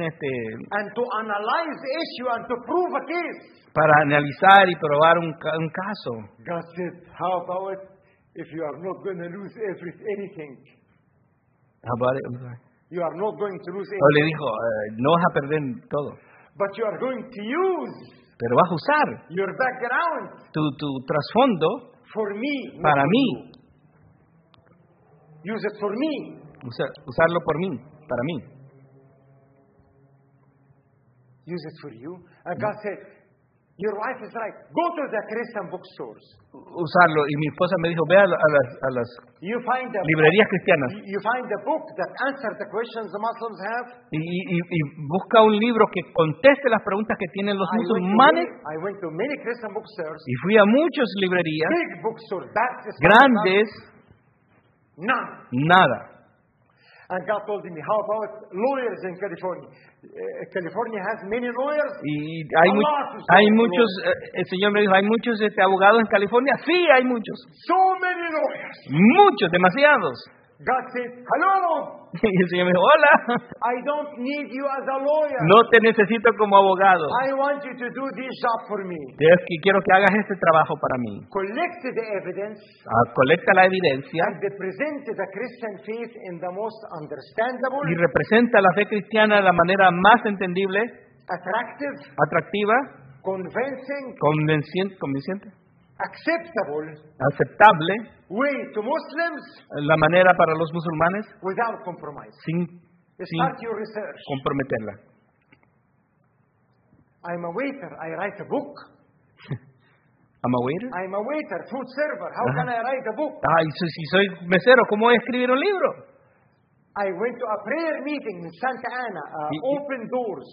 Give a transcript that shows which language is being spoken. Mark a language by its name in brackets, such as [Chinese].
[English] And to analyze issue and to prove a case. [Spanish] Para analizar y probar un caso. [English] God said, how about it if you are not going to lose anything? How about it? I'm sorry. You are not going to lose anything. [Spanish] Le dijo, no vas a perder todo. [English] But you are going to use. [Spanish] Pero vas a usar [English] your background [Spanish] tu trasfondo [English] for me, [Spanish] para mí. [English] Use it for me. [Spanish] Usarlo por mí, para mí. [English] Use it for you. And God said, your wife is right. Go to the Christian bookstores. [Spanish] Usarlo. Y mi esposa me dijo, ve a las [English] you find the [Spanish] librerías cristianas. [English] You find the book that answers the questions the Muslims have. [Spanish] Y busca un libro que conteste las preguntas que tienen los musulmanes. [English] I went to many Christian bookstores. [Spanish] Y fui a muchas librerías. [English] Big bookstores, Baptist, [Spanish] grandes. [English] None. [Spanish] Nada. [English] And God told me, how about lawyers in California? California has many lawyers. [Spanish] Y hay muchos. El Señor me dijo, hay muchos abogados en California. Sí, hay muchos. [English] So many lawyers. [Spanish] Muchos, demasiados. [English] God said, hello. [Spanish] Y el Señor me dijo, hola. [English] I don't need you as a lawyer. [Spanish] No te necesito como abogado. [English] I want you to do this job for me. [Spanish] Es que quiero que hagas este trabajo para mí. [English] Collect the evidence. [Spanish] Colecta la evidencia. [English] And represent the Christian faith in the most understandable. [Spanish] Y representa la fe cristiana de la manera más entendible. [English] Attractive. [Spanish] Atractiva. [English] Convincing. [Spanish] Convincente. [English] Acceptable. [Spanish] Aceptable. [English] Way to Muslims, [Spanish] la manera para los musulmanes [English] without compromise. [Spanish] Sin [English] your research. [Spanish] Comprometerla. [English] I'm a waiter. I write a book. I'm a waiter. I'm a waiter, food server. How can I write a book? [Spanish] Ah, si soy mesero, ¿cómo voy a escribir un libro? [English] I went to a prayer meeting in Santa Ana, open doors.